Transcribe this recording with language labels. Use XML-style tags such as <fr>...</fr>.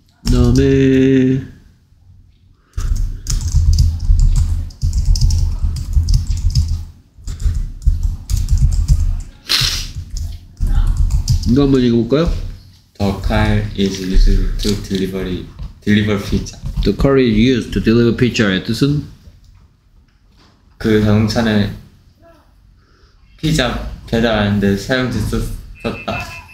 <ko>다음에 이거 한번 읽어볼까요?</ko> <en>The car is used to deliver pizza. The car is used to deliver pizza</en> <ko>의 뜻은? 그 자동차는 피자 배달하는데 사용됐었다.</ko>